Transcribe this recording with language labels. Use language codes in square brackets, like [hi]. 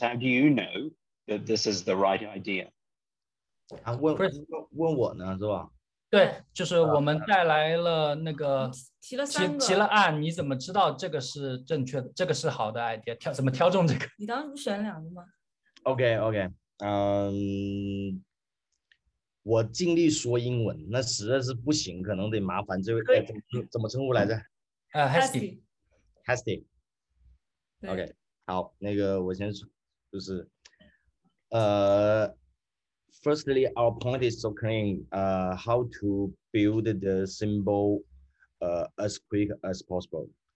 [en] How do you know that this is the right idea? [zh] 啊，问我呢，是吧？对，就是我们带来了那个提了案，你怎么知道这个是正确的？这个是好的 idea， 怎么挑中这个？你当时不选两个吗？OK， 我尽力说英文，那实在是不行，可能得麻烦这位怎么称呼来着？ Hasty。 [en] OK， [zh] 好，那个我先就是 [en] Firstly, our point is so clear, how to build the symbol as quick as possible.